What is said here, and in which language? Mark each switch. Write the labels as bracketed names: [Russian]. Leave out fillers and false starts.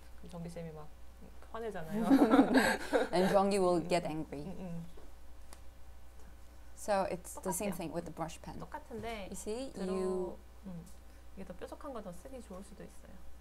[Korean] 전기쌤이 막 화내잖아요. [English] And 전기 will get angry. So it's the same thing with the brush pen. [Korean] 똑같은데. [English] You see you. [Korean] 이게 더 뾰족한 거 더 쓰기 좋을 수도 있어요.